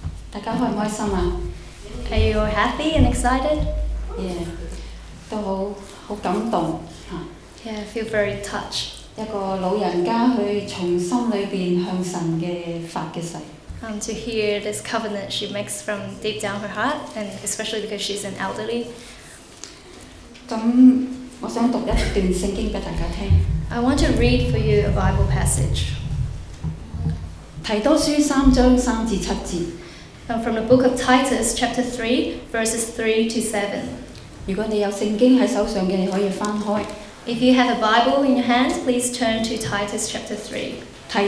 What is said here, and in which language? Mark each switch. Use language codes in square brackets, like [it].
[yue] 大家開唔開心啊 [en] ？Are you happy and excited？ [yue] Yeah， 都好好感動嚇。 [en] Yeah， I feel very touched。 [yue] 一個老人家去從心裏邊向神嘅發嘅誓。 [en] To hear this covenant she makes from deep down her heart, and especially because she's an elderly. [yue] 咁，我想讀一段聖經俾大家聽。 [en] I want to read for you a Bible passage. [yue] 提多書三章三至七節。 [en] From the book of Titus, chapter 3, verses 3 to 7. [yue] 如果你有聖經喺手上嘅，你可以翻開。 [en] If you have a Bible in your hand, please turn to Titus chapter 3.